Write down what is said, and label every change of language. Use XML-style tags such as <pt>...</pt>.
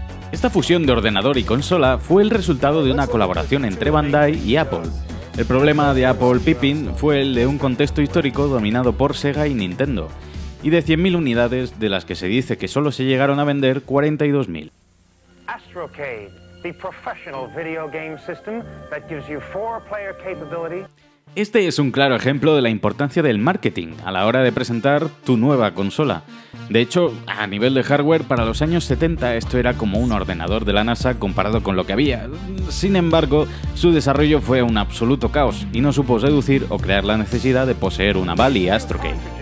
<es>Esta fusión de ordenador y consola fue el resultado de una colaboración entre Bandai y Apple. El problema de Apple Pippin fue el de un contexto histórico dominado por Sega y Nintendo, y de 100.000 unidades de las que se dice que solo se llegaron a vender 42.000.</es> <en>Astrocade, the professional video game system that gives you four-player capability.</en> <es>Este es un claro ejemplo de la importancia del marketing a la hora de presentar tu nueva consola. De hecho, a nivel de hardware, para los años 70 esto era como un ordenador de la NASA comparado con lo que había. Sin embargo, su desarrollo fue un absoluto caos y no supo seducir o crear la necesidad de poseer una Bally Astrocade.</es>